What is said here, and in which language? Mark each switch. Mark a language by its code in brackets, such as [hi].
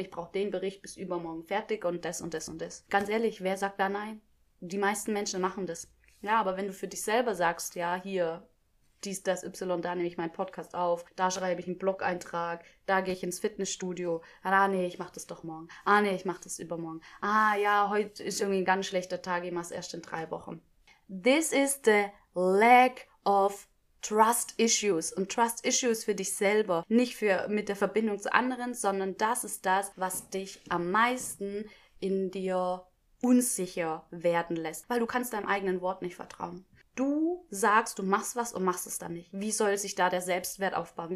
[de] Ich brauche den Bericht bis übermorgen fertig und das und das und das. Ganz ehrlich, wer sagt da nein? Die meisten Menschen machen das. Ja, aber wenn du für dich selber sagst, ja, hier, dies, das, Y, da nehme ich meinen Podcast auf, da schreibe ich einen Blog-Eintrag, da gehe ich ins Fitnessstudio. Ah, nee, ich mache das doch morgen. Ah, nee, ich mache das übermorgen. Ah, ja, heute ist irgendwie ein ganz schlechter Tag, ich mache es erst in 3 Wochen. [en] This is the lack of trust issues. [de] Und trust issues für dich selber, nicht für mit der Verbindung zu anderen, sondern das ist das, was dich am meisten in dir unsicher werden lässt, weil du kannst deinem eigenen Wort nicht vertrauen. Du sagst, du machst was und machst es dann nicht. Wie soll sich da der Selbstwert aufbauen?